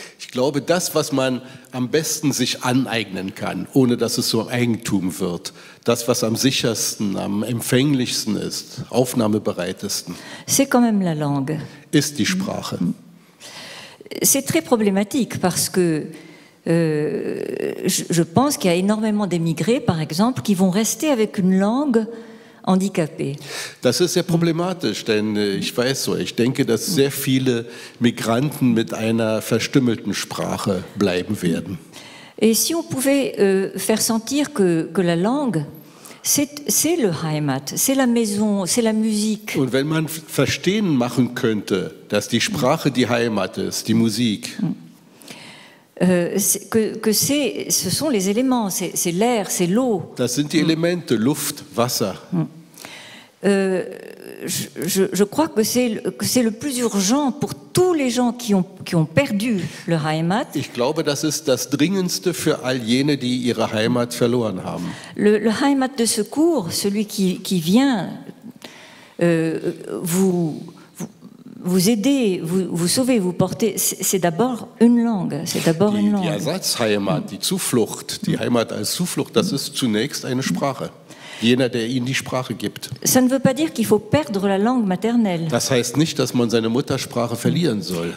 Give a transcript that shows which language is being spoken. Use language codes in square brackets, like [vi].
[de] Ich glaube, das, was man am besten sich aneignen kann, ohne dass es so ein Eigentum wird, das, was am sichersten, am empfänglichsten ist, aufnahmebereitesten, [fr] c'est quand même la langue. [de] Ist die Sprache. [fr] C'est très problématique parce que je pense qu'il y a énormément d'émigrés, par exemple, qui vont rester avec une langue handicapé. [de] Das ist sehr problematisch, denn ich weiß so, ich denke, dass sehr viele Migranten mit einer verstümmelten Sprache bleiben werden. [fr] Et si on pouvait faire sentir que la langue c'est le Heimat, c'est la maison, c'est la musique. [de] Und wenn man verstehen machen könnte, dass die Sprache die Heimat ist, die Musik. [fr] Ce sont les éléments, c'est l'air, c'est l'eau. [de] Das sind die Elemente, Luft, Wasser. [fr] Je crois que c'est le plus urgent pour tous les gens qui ont perdu leur Heimat. [de] Ich glaube, das ist das Dringendste für all jene, die ihre Heimat verloren haben. [fr] Le Heimat de secours, celui qui vient vous aider, vous sauver, vous porter, c'est d'abord une langue. C'est d'abord une langue. [de] Die Ersatzheimat, die Zuflucht, die Heimat als Zuflucht, das ist zunächst eine Sprache. Jener, der ihnen die Sprache gibt. [fr] Ça ne veut pas dire qu'il faut perdre la langue maternelle. [de] Das heißt nicht, dass man seine Muttersprache verlieren soll.